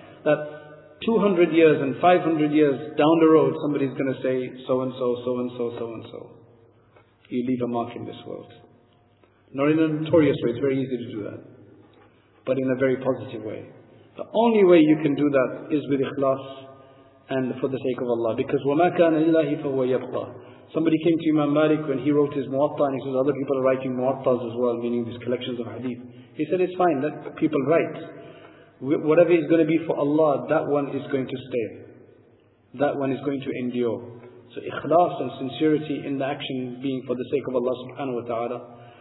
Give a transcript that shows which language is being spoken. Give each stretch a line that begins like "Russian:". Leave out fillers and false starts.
English: That 200 years and 500 years down the road, somebody's going to say, so and so, so and so, so and so. You leave a mark in this world. Not in a notorious way, it's very easy to do that. But in a very positive way. The only way you can do that is with ikhlas and for the sake of Allah. Because
Arabic: وَمَا كَانَ لِلَّهِ فَهُوَ يَبْقَى.
English: Somebody came to Imam Malik when he wrote his Muwatta, and he says other people are writing Muwattas as well, meaning these collections of hadith. He said, it's fine, let people write. Whatever is going to be for Allah, that one is going to stay. That one is going to endure. So ikhlas and sincerity in the action being for the sake of Allah subhanahu wa ta'ala.